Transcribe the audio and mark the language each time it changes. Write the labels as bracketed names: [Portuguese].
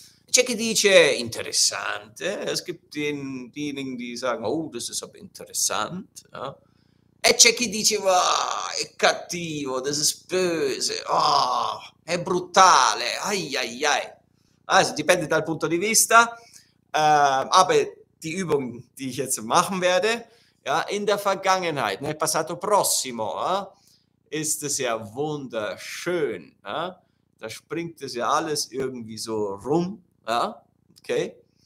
[Italian] C'è chi dice, interessante. [German] Es gibt diejenigen, die sagen, oh, das ist aber interessant. Ja? [Italian] E c'è chi dice, oh, è cattivo, [German] das ist böse, [Italian] oh, è brutale, ai ai ai. Also, dipende dal punto di vista. [German] Aber die Übung, die ich jetzt machen werde, ja, in der Vergangenheit, [Italian] nel passato prossimo, [German] ist es ja wunderschön. Ja? Da springt es ja alles irgendwie so rum. Ja, okay.